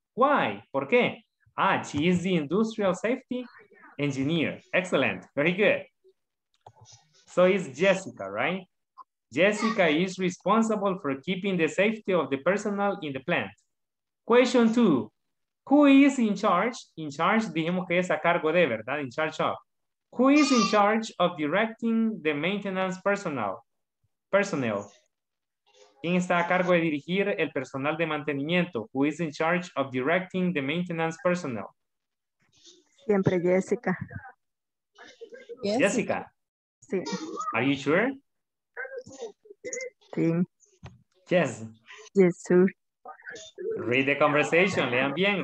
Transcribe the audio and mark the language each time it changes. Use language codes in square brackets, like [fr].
[en] Why? [es] ¿Por qué? [en] Ah, she is the industrial safety engineer. Excellent. Very good. So it's Jessica, right? Jessica is responsible for keeping the safety of the personnel in the plant. Question two. Who is in charge? In charge, [es] dijimos que es a cargo de, ¿verdad? [en] In charge of. Who is in charge of directing the maintenance personnel? Personnel. [es] ¿Quién está a cargo de dirigir el personal de mantenimiento? [en] Who is in charge of directing the maintenance personnel? [es] Siempre Jessica. Jessica. Sí. [en] Are you sure? [es] Sí. [en] Yes. Yes, sir. Read the conversation. [es] Lean bien.